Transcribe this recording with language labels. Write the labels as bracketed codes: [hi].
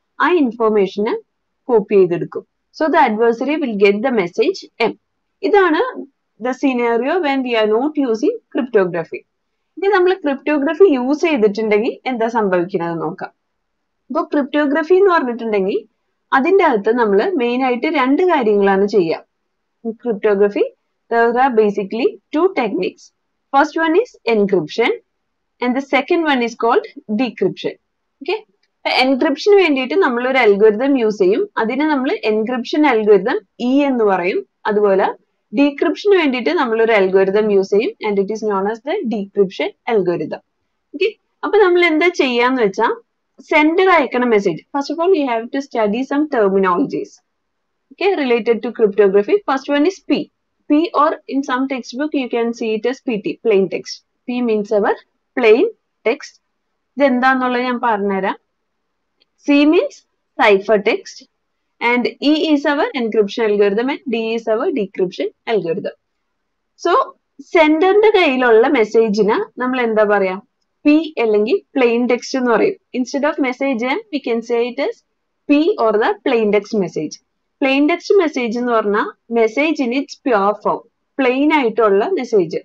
[ml] ആ information copy ചെയ്തെടുക്കും. [en] So the adversary will get the message M. [ml] ഇതാണ് [en] The scenario when we are not using cryptography. [ml] ഇനി നമ്മൾ cryptography use ചെയ്തിട്ടുണ്ടെങ്കിൽ എന്താ സംഭവിക്കുന്നത് നോക്കാം. ഇപ്പോൾ ക്രിപ്റ്റോഗ്രഫി എന്ന് പറഞ്ഞിട്ടുണ്ടെങ്കിൽ അതിൻ്റെ അകത്ത് നമ്മൾ മെയിൻ ആയിട്ട് രണ്ട് കാര്യങ്ങളാണ് ചെയ്യുക. [en] Cryptography There are basically two techniques. First one is encryption and the second one is called decryption. Okay? [ml] Encryption വേണ്ടിയിട്ട് നമ്മൾ ഒരു അൽഗോരിതം യൂസ് ചെയ്യും. അതിനെ നമ്മൾ എൻക്രിപ്ഷൻ അൽഗോരിതം ഇ എന്ന് പറയും. അതുപോലെ ഡീക്രിപ്ഷൻ വേണ്ടിയിട്ട് നമ്മൾ ഒരു അൽഗോരിതം യൂസ് ചെയ്യും. [en] And it is known as the decryption algorithm. [ml] Okay, അപ്പൊ നമ്മൾ എന്താ ചെയ്യാന്ന് വെച്ചാൽ sender അയക്കണ message [en] First of all you have to study some terminologies okay related to cryptography. First one is P. P or in some textbook you can see it as PT, plain text. P means our plain text. [ml] ഇത് എന്താന്നുള്ളത് ഞാൻ പറഞ്ഞുതരാം. [en] C means cipher text. And E is our encryption algorithm and D is our decryption algorithm. So, [ml] സെൻഡറിന്റെ കയ്യിലുള്ള മെസ്സേജിന് നമ്മൾ എന്താ പറയാ, P അല്ലെങ്കിൽ plain text എന്ന് പറയും. [en] Instead of message we can say it is P or the plain text message. [ml] Plain text message എന്ന് പറഞ്ഞാൽ [en] message in its pure form, [ml] plain ആയിട്ടുള്ള മെസ്സേജ്.